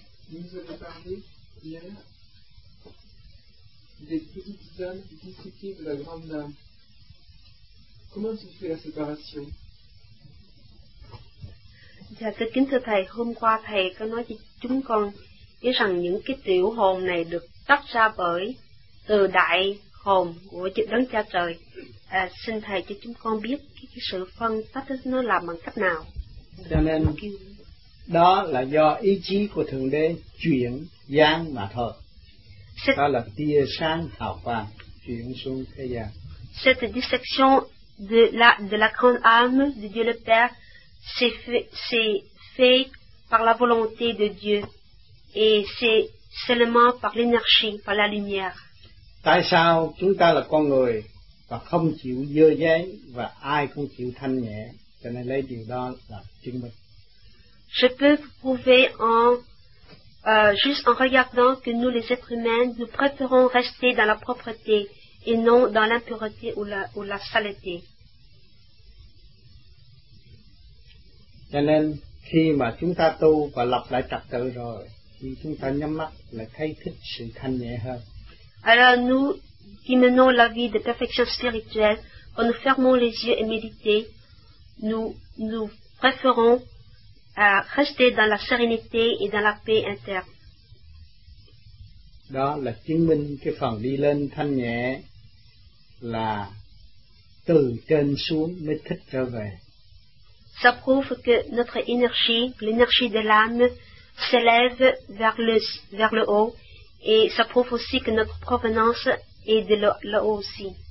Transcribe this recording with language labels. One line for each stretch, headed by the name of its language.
French: Nous avons parlé hier des petites âmes disciplines de la grande âme. Comment se fait la séparation?
Vietnamese: Dạ thưa kính thưa thầy, hôm qua thầy có nói với chúng con biết rằng những cái tiểu hồn này được tách ra bởi từ đại hồn của chư đấng cha trời. À, xin thầy cho chúng con biết cái sự phân tách nó làm bằng cách nào. Cho nên đó là do ý chí của Thượng Đế chuyển gian mà thôi. Đó là tia sáng thảo vàng chuyển xuống thế gian.
French: Cette distinction de la grande âme de Dieu le Père c'est fait par la volonté de Dieu et c'est seulement par l'énergie, par la lumière.
Vietnamese: Tại sao chúng ta là con người và không chịu dơ dáy và ai cũng chịu thanh nhẹ, cho nên lấy điều đó là chứng minh.
French: Je peux vous prouver juste en regardant que nous les êtres humains nous préférons rester dans la propreté et non dans l'impureté ou la saleté.
Vietnamese: Cho nên khi mà chúng ta tu và lập lại trật tự rồi thì chúng ta nhắm mắt là thấy thích sự thanh nhẹ hơn.
French: Alors nous qui menons la vie de perfection spirituelle, quand nous fermons les yeux et méditons, nous préférons rester dans la sérénité et dans la paix interne.
Vietnamese: Đó là chứng minh cái phần đi lên thanh nhẹ là từ trên xuống mới thích trở về.
French: Ça prouve que notre énergie, l'énergie de l'âme, s'élève vers le haut, et ça prouve aussi que notre provenance est de le haut aussi.